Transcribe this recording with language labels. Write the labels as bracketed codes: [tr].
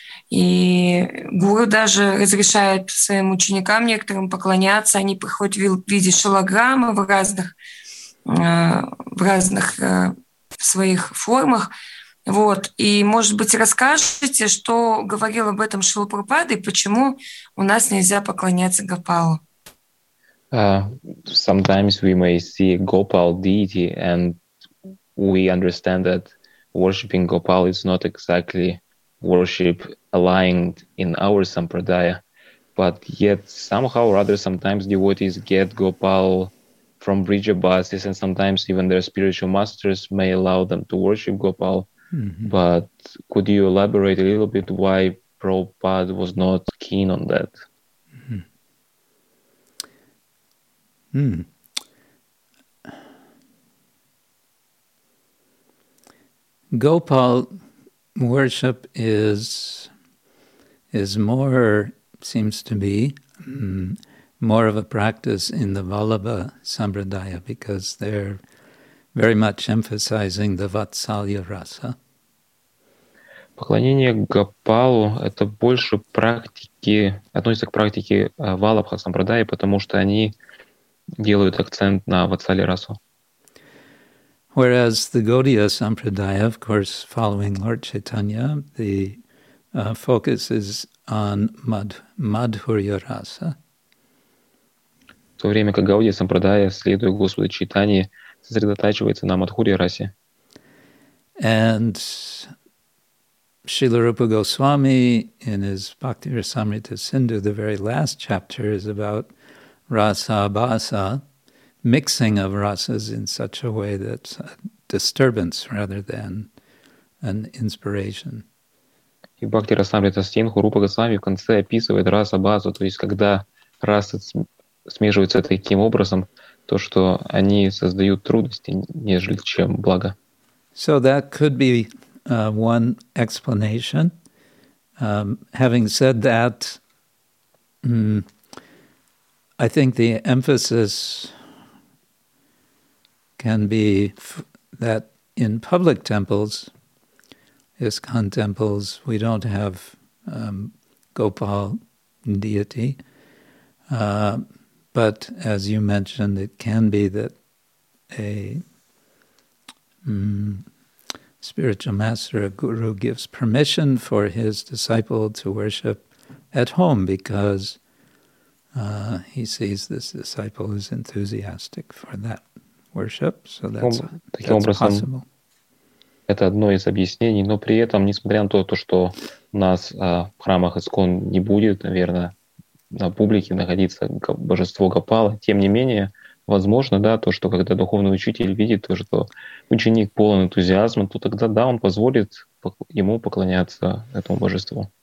[ru] И гуру даже разрешает своим ученикам некоторым поклоняться, они приходят в виде шалограммы в разных своих формах. Вот, и, может быть, расскажете, что говорил об этом Шрила Прабхупада и почему у нас нельзя поклоняться Гопалу? [en] Sometimes we may see Gopal deity and we understand that worshipping Gopal is not exactly worship aligned in our sampradaya, but yet somehow or other sometimes devotees get Gopal from Vrijabhasis and sometimes even their spiritual masters may allow them to worship Gopal. But could you elaborate a little bit why Prabhupada was not keen on that? Gopal worship is more, seems to be, more of a practice in the Vallabha Sampradaya, because they're very much emphasizing the Vatsalya Rasa. [ru] Поклонение Гопалу – это больше практики, относится к практике Валабха Сампрадаи, потому что они делают акцент на Ватсали Расу. [en] Whereas the Gaudiya Sampradaya, of course, following Lord Chaitanya, the focus is on Madhurya Rasa. [ru] В то время как Гаудия Сампрадая, следуя Господу Чайтанье, сосредотачивается на Мадхурья Расе. [en] And Srila Rupa Goswami in his Bhakti-rasamrita Sindhu, the very last chapter is about rasa-bhasa, mixing of rasas in such a way that's a disturbance rather than an inspiration. [ru] И Бхакти-расамрита Синху Рупа Госвами в конце описывает раса-бхаса, то есть когда расы смешиваются таким образом, то что они создают трудности, нежели чем благо. [en] So that could be one explanation. Having said that, I think the emphasis can be that in public temples, ISKCON temples, we don't have Gopal deity. But as you mentioned, it can be that a spiritual master, a guru, gives permission for his disciple to worship at home because he sees this disciple is enthusiastic for that worship, so that's possible. [ru] Это одно из объяснений, но при этом, несмотря на то, что у нас в храмах ИСКОН не будет, наверное, на публике находиться божество Гопала, тем не менее, возможно, да, то, что когда духовный учитель видит то, что ученик полон энтузиазма, то тогда, да, он позволит ему поклоняться этому божеству.